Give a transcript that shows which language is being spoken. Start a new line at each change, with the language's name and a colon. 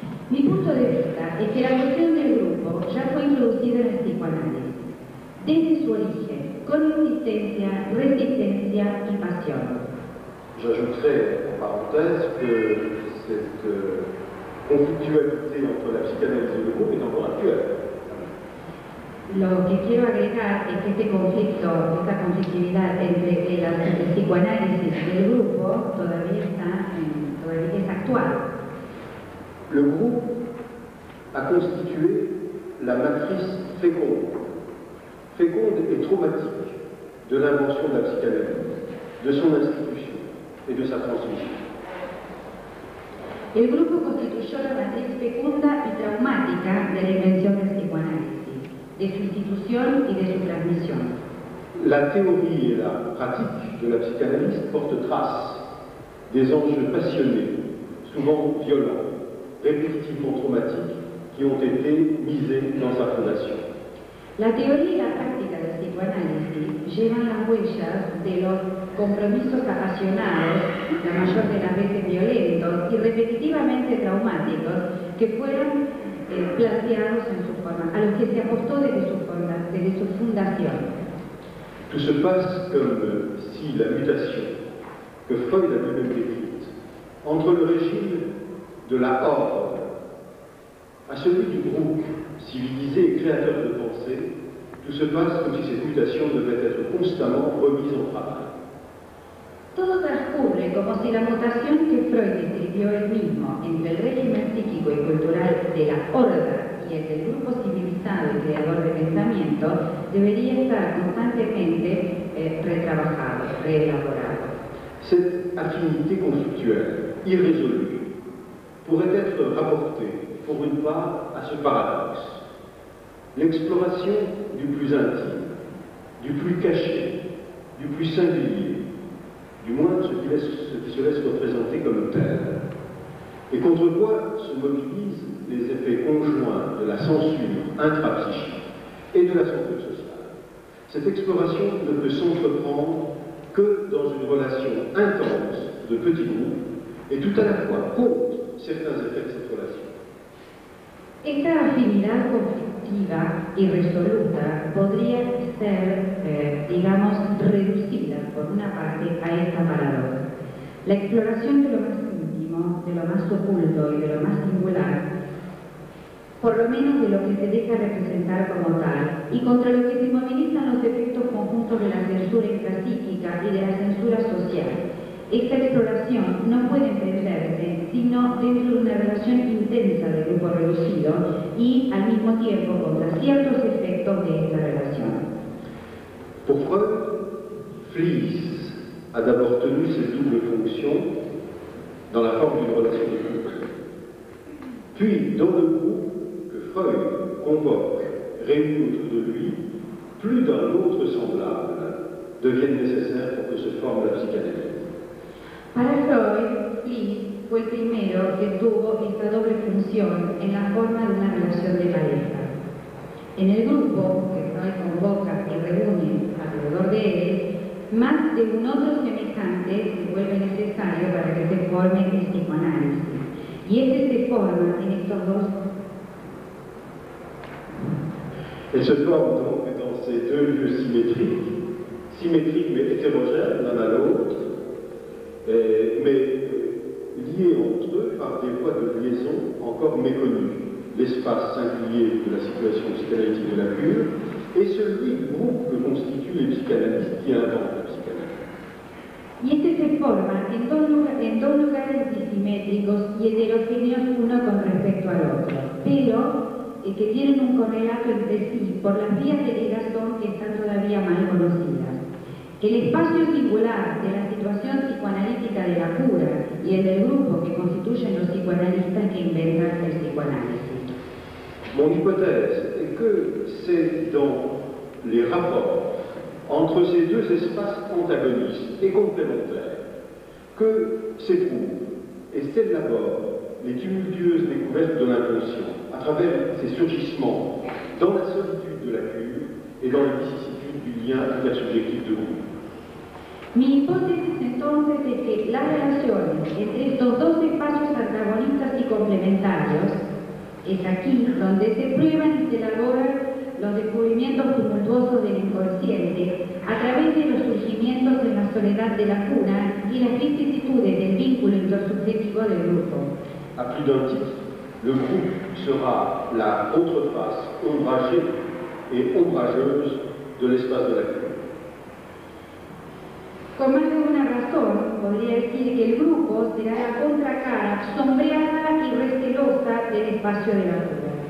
Spanish: Mi punto de vista es que la cuestión del grupo ya fue introducida en la psicoanálisis, desde su origen, con insistencia, resistencia y pasión.
French: J'ajouterai en parenthèse que cette conflictualité entre la psychanalyse et le groupe est encore actuelle.
Spanish: Lo que quiero agregar es que este conflicto, esta conflictividad entre el psicoanálisis y el grupo todavía es actual.
French: Le groupe a constitué la matrice féconde, féconde et traumatique de l'invention de la psychanalyse, de son institution et de sa transmission.
Spanish: El grupo constituyó la matriz fecunda y traumática de la invención del psicoanálisis, de su institución y de su transmisión.
French: La théorie et la pratique de la psychanalyse portent trace des enjeux passionnés, souvent violents, répétitivement traumatiques, qui ont été misés dans sa
Spanish: fundación. La teoría y la práctica del psicoanálisis llevan las huellas de los compromisos apasionados, la mayor de las veces violentos y repetitivamente traumáticos, que fueron planteados en su forma, a los que se apostó desde su fundación.
French: Tout se passe comme si la mutation que Freud a même décrite entre le régime de la horde à celui du groupe civilisé et créateur de pensée, tout se passe comme si cette mutation devait être constamment remise en travail.
Spanish: Todo transcurre como si la mutación que Freud describió él mismo entre el régimen psíquico y cultural de la horda y el del grupo civilizado y creador de pensamiento debería estar constantemente retrabajado, reelaborado.
French: Cette affinité conflictuelle irrésolue pourrait être rapportée pour une part à ce paradoxe. L'exploration du plus intime, du plus caché, du plus singulier, du moins ce qui se laisse représenter comme tel, et contre quoi se mobilisent les effets conjoints de la censure intra-psychique et de la censure sociale. Cette exploration ne peut s'entreprendre que dans une relation intense de petits groupes et tout à la fois contre certains effets de cette relation.
Spanish: Esta afinidad conflictiva y resoluta podría ser, digamos, reducida por una parte a esta paradoja. La exploración de lo más íntimo, de lo más oculto y de lo más singular, por lo menos de lo que se deja representar como tal, y contra lo que se movilizan los efectos conjuntos de la censura intrapsíquica y de la censura social. Esta exploración no puede entenderse sino dentro de una relación intensa de grupo reducido y al mismo tiempo contra ciertos efectos de esta relación.
French: Pour Freud, Fliess a d'abord tenu cette double fonction dans la forme d'une relation de couple, puis dans le groupe que Freud convoque, réuni autour de lui, plus d'un autre semblable devienne nécessaire pour que se forme la psychanalyse.
Spanish: Para Freud, Fliess fue el primero que tuvo esta doble función en la forma de una relación de pareja. En el grupo que Freud convoca y reúne alrededor de él, más de un otro semejante se vuelve necesario para que se forme el psicoanálisis. Y ese se forma en estos dos.
French: Elle se forme donc dans ces deux lieux symétriques mais hétérogènes l'un à l'autre, mais liés entre eux par des voies de liaison encore méconnues. L'espace singulier de la situation psychanalytique de la cure et celui du groupe que constituent les psychanalystes qui inventent la psychanalyse.
Spanish: Et se forma en dos lugares disimétricos y heterogéneos uno con respecto al otro, pero et que tienen un correlato entre sí por las vías de ligación que están todavía mal conocidas. El espacio singular de la situación psicoanalítica de la cura y el del grupo que constituyen los psicoanalistas que inventan el psicoanálisis.
French: Mon hypothèse est que c'est dans les rapports entre ces deux espaces antagonistes et complémentaires que s'éprouvent et s'élaborent les tumultueuses découvertes de l'inconscient. À travers ces surgissements, dans la solitude de la cure et dans les vicissitudes du lien intersubjectif de groupe.
Spanish: Mi hipótesis entonces es que las relaciones entre estos dos espacios antagonistas y complementarios es aquí donde se prueban y se elaboran los descubrimientos tumultuosos del inconsciente a través de los surgimientos de la soledad de la cuna y las vicisitudes del vínculo intersubjetivo del grupo.
French: A plus d'un titre. Le groupe sera la autre face ombragée et ombrageuse de l'espace de la cure. Comme de une raison, on pourrait dire que le groupe sera la contre-cara
Spanish: sombreada
French: et
Spanish: recelosa
French: de l'espace de la cure.